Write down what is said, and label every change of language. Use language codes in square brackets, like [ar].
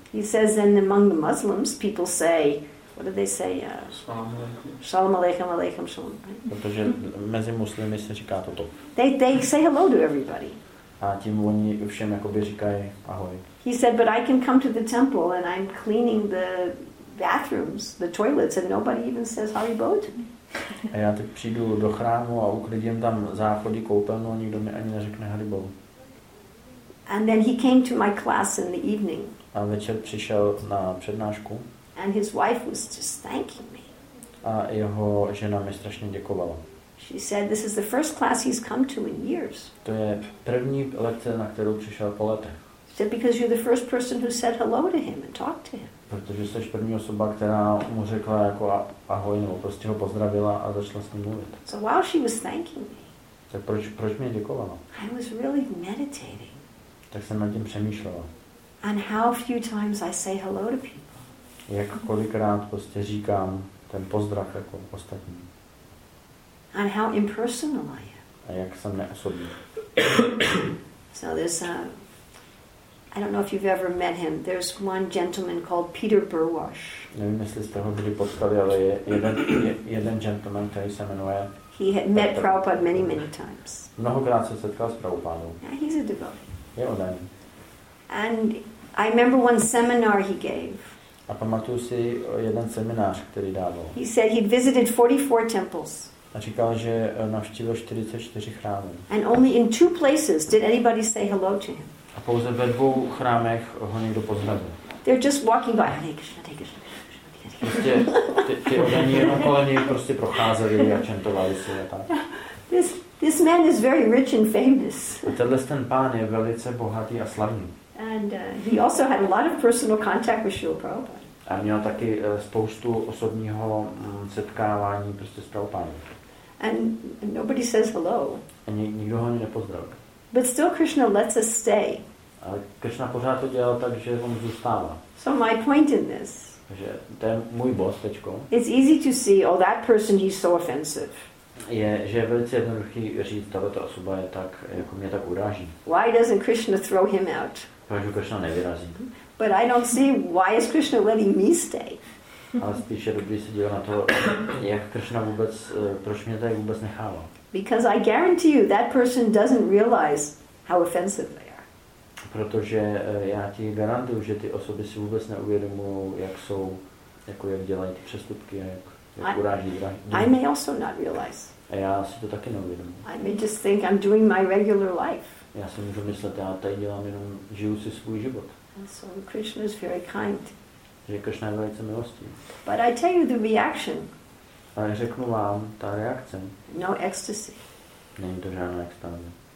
[en] He says then among the Muslims people say, what do they say? [he] Shalom aleichem, aleichem shalom. [cs] Protože mezi muslimy se říká toto. [en] They say hello to everybody. [cs] A tím oni všem jakoby říkají ahoj. [en] He said, but I can come to the temple and I'm cleaning the bathrooms, the toilets, and nobody even says Hari Bol to me. [cs] A já tak přijdu do chrámu a uklidím tam záchody, koupelnu a nikdo mi ani neřekne Hari Bol. [en] And then he came to my class in the evening. [cs] A večer přišel na přednášku. [en] And his wife was just thanking me. [cs] A jeho žena mi strašně děkovala. [en] She said, this is the first class he's come to in years. [cs] To je první lekce, na kterou přišel po letech. [en] Said, because you're the first person who said hello to him and talked to him. [cs] Protože jsi první osoba, která mu řekla jako ahoj, nebo prostě ho pozdravila a začala s ním mluvit. [en] So while she was thanking me. [cs] Tak proč mě děkovala? [en] I was really meditating. [cs] Tak jsem nad tím přemýšlela. [en] And how few times I say hello to people. [cs] Jak kolikrát prostě říkám ten pozdrav jako ostatní. [en] And how impersonal I am. [cs] A jak jsem neosobní. [en] So there's a I don't know if you've ever met him. There's one gentleman called Peter Burwash. [cs] Nevím, jestli jste ho kdy potkali, ale je jeden gentleman, který se jmenuje. [en] He had met Prabhupada many, many times. [cs] Mnohokrát se setkal s Prabhupádou. [en] Yeah, he's a devotee. [cs] Je oddaný. [en] And I remember one seminar he gave. [cs] A pamatuju si jeden seminář, který dával. [en] He said he visited 44 temples. [cs] A říkal, že navštívil 44 chrámy. [en] And only in two places did anybody say hello to him. [cs] A pouze ve dvou chrámech ho někdo pozdravil. [en] They're just walking by. Hare Krishna, Hare Krishna, Hare Krishna. [cs] Ty oddaní jenom kolem něj prostě procházeli a čentovali si a tak. [en] This man is very rich and famous. [cs] A tenhle ten pán je velice bohatý a slavný. [en] And he also had a lot of personal contact with Srila Prabhupada. [cs] A měl taky spoustu osobního setkávání prostě s Prabhupádou. [en] And nobody says hello. [cs] A nikdo ho ani nepozdravil. [en] But still Krishna lets us stay. [cs] Ale Krishna pořád to dělal tak, že on zůstává. [en] So my point in this. [cs] Že to je můj boss teďko. [en] It's easy to see, oh, that person, he's so offensive. [cs] Je, že je velice jednoduchý říct, tato osoba je tak, jako mě tak uráží. [en] Why doesn't Krishna throw him out? [cs] Proč Krishna nevyrazí? [en] But I don't see, why is Krishna letting me stay? [cs] Ale spíš je dobrý se dělat na to, jak Krishna vůbec, proč mě tady vůbec nechává. [en] Because I guarantee you that person doesn't realize how offensive they are. [cs] Protože já ti garantuju, že ty osoby si vůbec neuvědomují, jak jsou, jako jak dělají ty přestupky, jak uráží. [en] I may also not realize. [cs] A já si to taky neuvědomuji. [en] I may just think I'm doing my regular life. [cs] Já si můžu myslet, já tady dělám jenom, žiju si svůj život. [en] And so Krishna is very kind. [cs] Že Krishna je velice milostivý. [en] But I tell you the reaction. [cs] Ale řeknu vám, ta reakce. [en] No ecstasy. [cs] Není to žádná extáze.